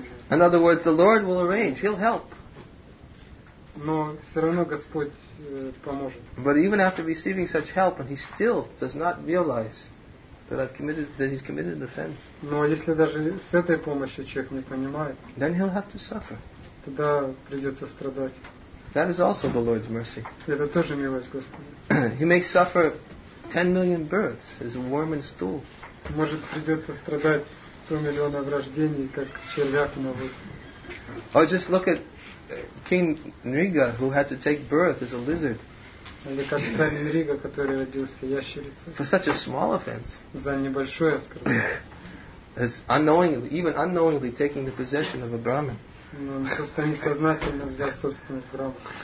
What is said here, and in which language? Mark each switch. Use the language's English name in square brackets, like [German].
[English] In other words, the Lord will arrange, he'll help. [Russian] Но все равно Господь поможет. [English] But even after receiving such help, and he still does not realize that he's committed an offense. [Russian] Но если даже с этой помощью человек не понимает, [English] then he'll have to suffer. [Russian] Тогда придется страдать. [English] That is also the Lord's mercy. [Russian] Это тоже милость Господня. [English] He may suffer 10 million births as a worm in stool. [Russian] Может придется страдать 100 миллионов рождений, как червяк на воде. [English] Or just look at King Nriga, who had to take birth as a lizard. For such a small offense. [Russian] За небольшое оскорбление. [English] As unknowingly, even unknowingly taking the possession of a Brahmin. [Russian] Ну, он просто несознательно взял собственность Брахмана.